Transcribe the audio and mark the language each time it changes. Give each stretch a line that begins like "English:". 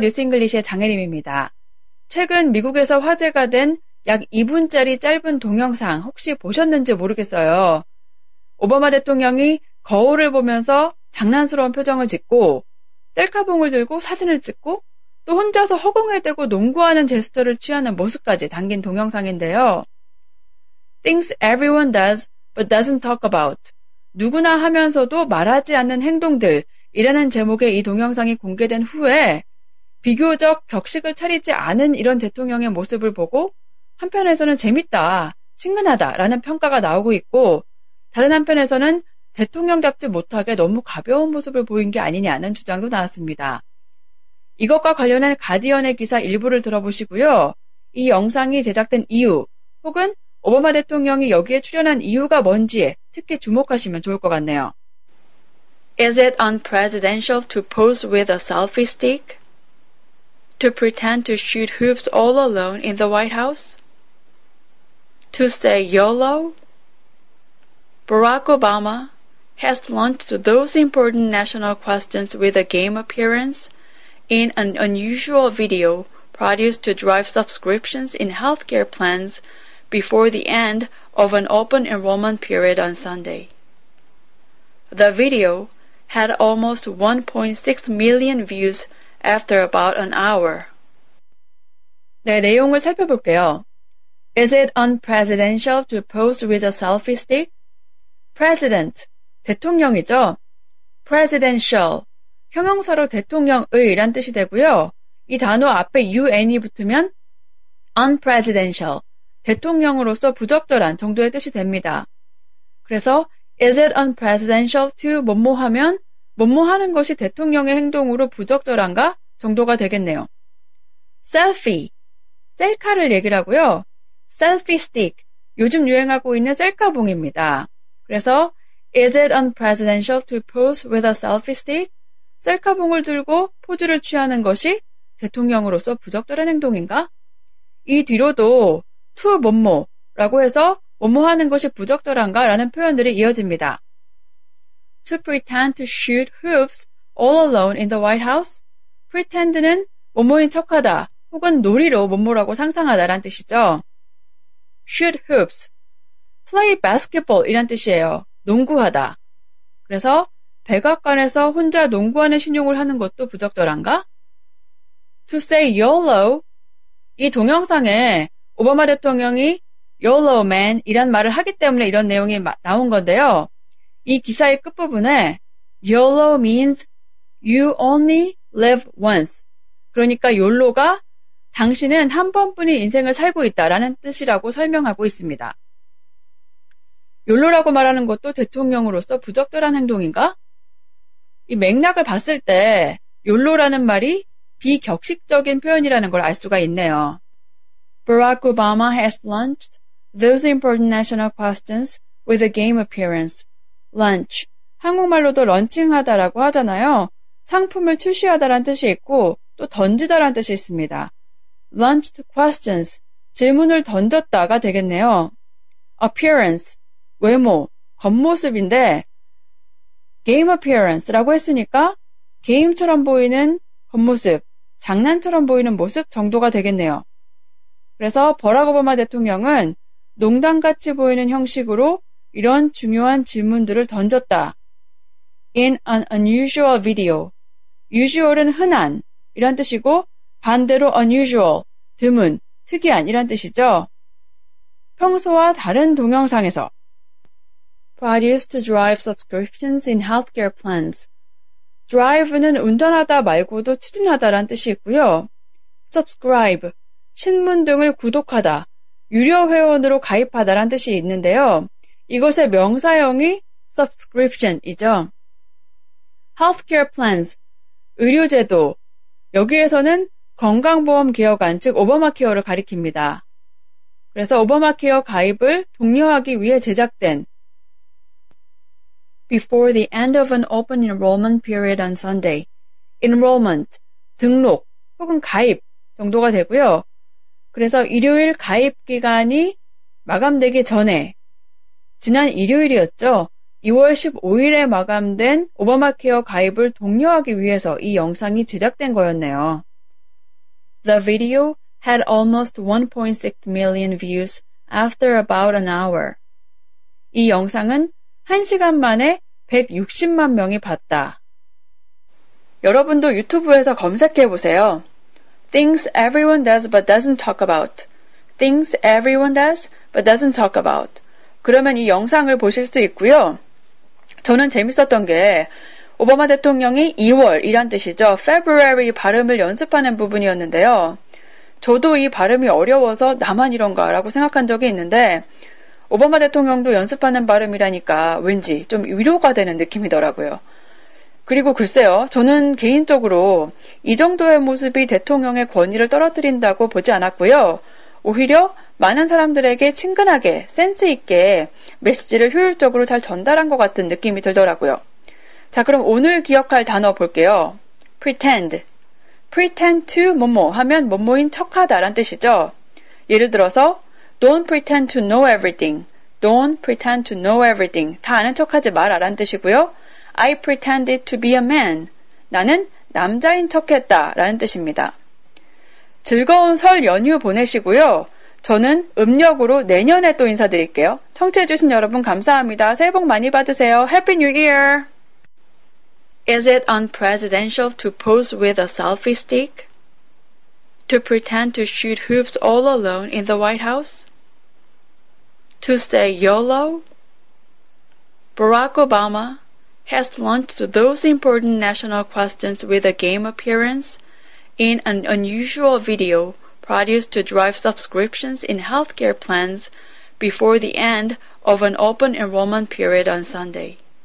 Korean: 뉴스 잉글리시의 장혜림입니다. 최근 미국에서 화제가 된 약 2분짜리 짧은 동영상 혹시 보셨는지 모르겠어요. 오바마 대통령이 거울을 보면서 장난스러운 표정을 짓고 셀카봉을 들고 사진을 찍고 또 혼자서 허공에 대고 농구하는 제스처를 취하는 모습까지 담긴 동영상인데요.
English: Things everyone does but doesn't talk about.
Korean: 누구나 하면서도 말하지 않는 행동들 이라는 제목의 이 동영상이 공개된 후에 비교적 격식을 차리지 않은 이런 대통령의 모습을 보고 한편에서는 재밌다, 친근하다라는 평가가 나오고 있고 다른 한편에서는 대통령답지 못하게 너무 가벼운 모습을 보인 게 아니냐는 주장도 나왔습니다. 이것과 관련한 가디언의 기사 일부를 들어보시고요. 이 영상이 제작된 이유 혹은 오바마 대통령이 여기에 출연한 이유가 뭔지에 특히 주목하시면 좋을 것 같네요.
English: Is it unpresidential to pose with a selfie stick? To pretend to shoot hoops all alone in the White House? To say YOLO? Barack Obama has launched those important national questions with a game appearance in an unusual video produced to drive subscriptions in healthcare plans before the end of an open enrollment period on Sunday. The video had almost 1.6 million views after about an hour.
Korean: 네, 내용을 살펴볼게요.
English: Is it unpresidential to pose with a selfie stick?
Korean: President, 대통령이죠. Presidential, 형용사로 대통령의란 뜻이 되고요. 이 단어 앞에 un이 붙으면 unpresidential, 대통령으로서 부적절한 정도의 뜻이 됩니다. 그래서
English: is it unpresidential to
Korean: 뭐뭐 하면 뭐뭐 하는 것이 대통령의 행동으로 부적절한가 정도가 되겠네요. Selfie, 셀카를 얘기라고요. Selfie stick, 요즘 유행하고 있는 셀카봉입니다. 그래서
English: Is it unpresidential to pose with a selfie stick?
Korean: 셀카봉을 들고 포즈를 취하는 것이 대통령으로서 부적절한 행동인가? 이 뒤로도 to 뭐뭐라고 해서 뭐뭐 하는 것이 부적절한가? 라는 표현들이 이어집니다.
English: To pretend to shoot hoops all alone in the White House?
Korean: Pretend는 뭐뭐인 척하다 혹은 놀이로 뭐뭐라고 상상하다란 뜻이죠. Shoot hoops.
English: Play basketball
Korean: 이란 뜻이에요. 농구하다. 그래서 백악관에서 혼자 농구하는 신용을 하는 것도 부적절한가?
English: To say YOLO.
Korean: 이 동영상에 오바마 대통령이
English: YOLO man
Korean: 이란 말을 하기 때문에 이런 내용이 나온 건데요. 이 기사의 끝부분에
English: YOLO means you only live once.
Korean: 그러니까 YOLO가 당신은 한 번뿐인 인생을 살고 있다라는 뜻이라고 설명하고 있습니다. YOLO라고 말하는 것도 대통령으로서 부적절한 행동인가? 이 맥락을 봤을 때 YOLO라는 말이 비격식적인 표현이라는 걸 알 수가 있네요.
English: Barack Obama has launched those important national questions with a game appearance. Lunch,
Korean: 한국말로도 런칭하다라고 하잖아요. 상품을 출시하다란 뜻이 있고 또 던지다란 뜻이 있습니다.
English: Launched questions,
Korean: 질문을 던졌다가 되겠네요.
English: Appearance,
Korean: 외모, 겉모습인데
English: game appearance
Korean: 라고 했으니까 게임처럼 보이는 겉모습, 장난처럼 보이는 모습 정도가 되겠네요. 그래서 버락 오바마 대통령은 농담같이 보이는 형식으로 이런 중요한 질문들을 던졌다.
English: In an unusual video.
Korean: Usual은 흔한 이런 뜻이고 반대로 unusual, 드문, 특이한 이런 뜻이죠. 평소와 다른 동영상에서
English: Produced to drive subscriptions in healthcare plans.
Korean: Drive는 운전하다 말고도 추진하다란 뜻이 있고요.
English: Subscribe,
Korean: 신문 등을 구독하다, 유료 회원으로 가입하다란 뜻이 있는데요. 이것의 명사형이 subscription이죠.
English: Healthcare plans,
Korean: 의료제도. 여기에서는 건강보험개혁안, 즉 오바마케어를 가리킵니다. 그래서 오바마케어 가입을 독려하기 위해 제작된
English: Before the end of an open enrollment period on Sunday, enrollment,
Korean: 등록 혹은 가입 정도가 되고요. 그래서 일요일 가입 기간이 마감되기 전에 지난 일요일이었죠. 2월 15일에 마감된 오바마케어 가입을 독려하기 위해서 이 영상이 제작된 거였네요.
English: The video had almost 1.6 million views after about an hour.
Korean: 이 영상은 1시간 만에 160만 명이 봤다. 여러분도 유튜브에서 검색해보세요.
English: Things everyone does but doesn't talk about. Things everyone does but doesn't talk about.
Korean: 그러면 이 영상을 보실 수 있고요. 저는 재밌었던 게 오바마 대통령이 2월이란 뜻이죠. February 발음을 연습하는 부분이었는데요. 저도 이 발음이 어려워서 나만 이런가라고 생각한 적이 있는데 오바마 대통령도 연습하는 발음이라니까 왠지 좀 위로가 되는 느낌이더라고요. 그리고 글쎄요, 저는 개인적으로 이 정도의 모습이 대통령의 권위를 떨어뜨린다고 보지 않았고요. 오히려 많은 사람들에게 친근하게, 센스 있게 메시지를 효율적으로 잘 전달한 것 같은 느낌이 들더라고요. 자, 그럼 오늘 기억할 단어 볼게요.
English: Pretend. Pretend to
Korean: 뭐뭐 하면 뭐뭐인 척하다란 뜻이죠.
English: 예를 들어서 Don't pretend to know everything. Don't pretend to know everything.
Korean: 다 아는 척하지 마라란 뜻이고요.
English: I pretended to be a man.
Korean: 나는 남자인 척했다 라는 뜻입니다. 즐거운 설 연휴 보내시고요. 저는 음력으로 내년에 또 인사드릴게요. 청취해주신 여러분 감사합니다. 새해 복 많이 받으세요.
English: Happy New Year! Is it unpresidential to pose with a selfie stick? To pretend to shoot hoops all alone in the White House? To say YOLO? Barack Obama has launched those important national questions with a game appearance in an unusual video produced to drive subscriptions in healthcare plans before the end of an open enrollment period on Sunday.